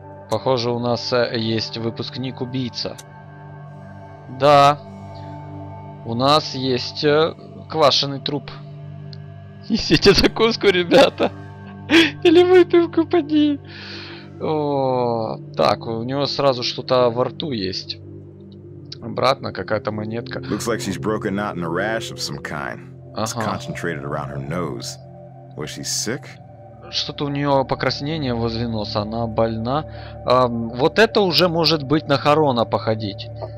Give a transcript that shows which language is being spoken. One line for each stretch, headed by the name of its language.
Russian: Похоже, у нас есть выпускник-убийца. Да. У нас есть квашеный труп. Несите закуску, ребята. Или выпивку поди. Так, у него сразу что-то во рту есть. Обратно какая-то монетка.
English: Looks like she's broken out in a rash of some kind. It's concentrated around her nose. Was she sick?
Russian: Что-то у нее покраснение возле носа, она больна. Вот это уже может быть на Харона походить.